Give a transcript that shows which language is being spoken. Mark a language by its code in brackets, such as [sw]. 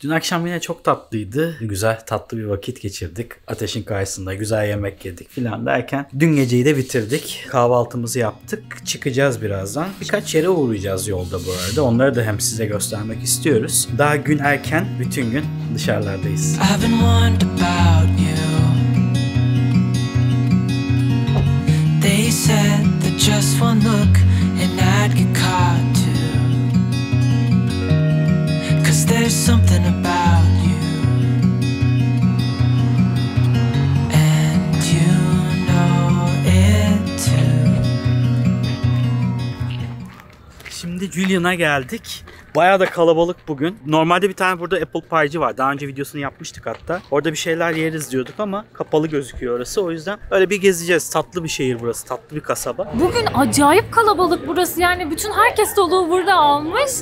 [tr] Dün akşam yine çok tatlıydı. Güzel tatlı bir vakit geçirdik. Ateşin karşısında güzel yemek yedik filan derken. Dün geceyi de bitirdik. Kahvaltımızı yaptık. Çıkacağız birazdan. Birkaç yere uğrayacağız yolda bu arada. Onları da hem size göstermek istiyoruz. Daha gün erken bütün gün dışarılardayız. [en] I've been warned about you. They said that just one look and I'd get caught. There's something about you, and you know it too. [tr] Şimdi Julian'a geldik. Bayağı da kalabalık bugün. Normalde bir tane burada apple pie'ci var. Daha önce videosunu yapmıştık hatta. Orada bir şeyler yeriz diyorduk ama kapalı gözüküyor orası. O yüzden öyle bir gezeceğiz. Tatlı bir şehir burası. Tatlı bir kasaba. Bugün acayip kalabalık burası. Yani bütün herkes doluğu burada almış.